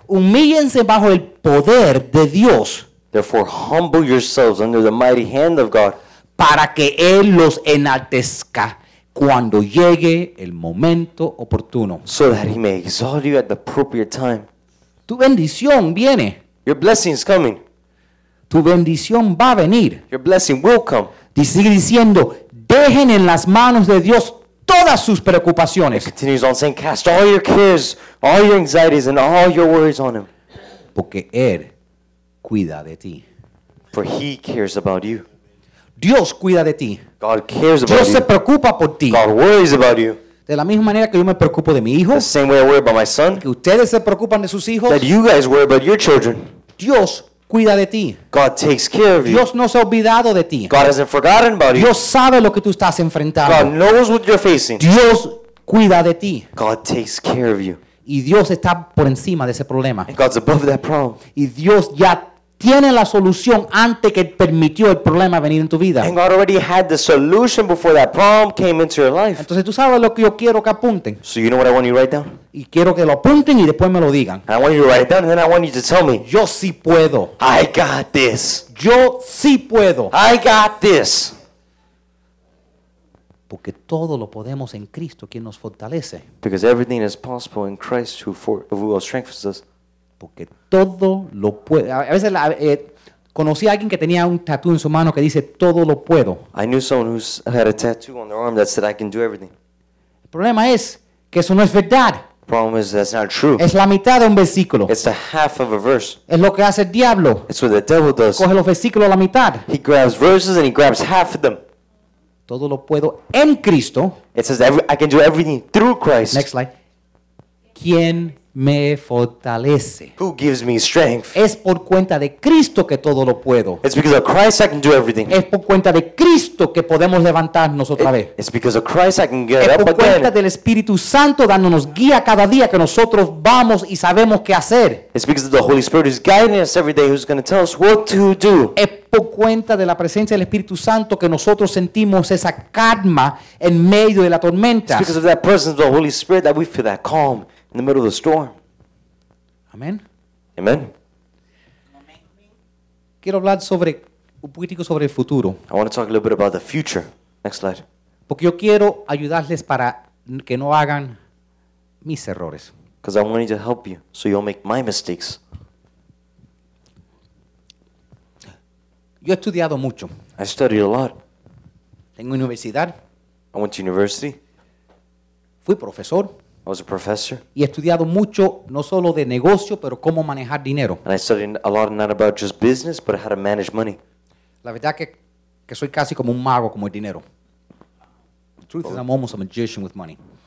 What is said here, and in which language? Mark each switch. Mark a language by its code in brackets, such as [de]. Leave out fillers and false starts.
[es] Humíllense bajo el poder de Dios. [en] Therefore, humble yourselves under the mighty hand of God. [es] Para que Él los enaltezca cuando llegue el momento oportuno. [en] So that he may exalt you at the appropriate time. [es] Tu bendición viene. [en] Your blessing is coming. [es] Tu bendición va a venir. [en] Your blessing will come. [es] Sigue diciendo, dejen en las manos de Dios todas sus preocupaciones. [en] It continues on saying, cast all your cares, all your anxieties, and all your worries on him. [es] Porque Él cuida de ti. [en] For he cares about you. [es] Dios cuida de ti. [en] God cares about [es] Dios [en] you. [es] Se preocupa por ti. [en] God worries about you. [es] De la misma manera que yo me preocupo de mi hijo. [en] The same way I worry about my son. [es] Que ustedes se preocupan de sus hijos. [en] That you guys worry about your children. [es] Dios cuida de ti. [en] God takes care of you. [es] Dios no se ha olvidado de ti. [en] God hasn't forgotten about you. [es] Dios sabe lo que tú estás enfrentando. [en] God knows what you're facing. [es] Dios cuida de ti. [en] God takes care of you. [es] Y Dios está por encima de ese problema. [en] And God's above that problem. [es] Y Dios ya tiene la solución antes que permitió el problema venir en tu vida. [en] And God already had the solution before that problem came into your life. [es] Entonces tú sabes lo que yo quiero que apunten. [en] So you know what I want you to write down? [es] Y quiero que lo apunten y después me lo digan. [en] I want you to write it down and then I want you to tell me. [es] Yo sí puedo. [en] I got this. [es] Yo sí puedo. [en] I got this. [es] Porque todo lo podemos en Cristo quien nos fortalece. [en] Because everything is possible in Christ who strengthens us. [es] Porque todo lo puedo. A veces conocí a alguien que tenía un tatú en su mano que dice todo lo puedo. [en] I knew someone who had a tattoo on their arm that said I can do everything. [es] El problema es que eso no es verdad. [en] Problem is that's not true. [es] Es la mitad de un versículo. [en] It's a half of a verse. [es] Es lo que hace el diablo. [en] It's what the devil does. [es] Coge los versículos a la mitad. [en] He grabs verses and he grabs half of them. [es] Todo lo puedo en Cristo. [en] It says I can do everything through Christ. Next slide. [es] ¿Quién me fortalece? [en] Who gives me strength? [es] Es por cuenta de Cristo que todo lo puedo. [en] It's because of Christ I can do everything. [es] Es por cuenta de Cristo que podemos levantarnos otra vez. [en] It's because of Christ I can get up again. [es] Es por cuenta del Espíritu Santo dándonos guía cada día que nosotros vamos y sabemos qué hacer. [en] It's because the Holy Spirit is guiding us every day, who's going to tell us what to do. [es] Es por cuenta de la presencia del Espíritu Santo que nosotros sentimos esa calma en medio de la tormenta. [en] It's because of that presence of the Holy Spirit that we feel that calm. In the middle of the storm. Amen. Amen. [es] Quiero hablar sobre un poquitico sobre el futuro. [en] I want to talk a little bit about the future. Next slide. [es] Porque yo quiero ayudarles para que no hagan mis errores. [en] Because I want to help you so you don't make my mistakes. [es] Yo he estudiado mucho. [en] I studied a lot. [es] Tengo universidad. [en] I went to university. [es] Fui profesor. [en] I was a professor. [es] Y he estudiado mucho, no solo de negocio, pero cómo manejar dinero. [en] And I studied a lot, not about just business, but how to manage money. [es] La verdad que soy casi como un mago con el dinero. [en] The truth is, I'm almost a magician with money.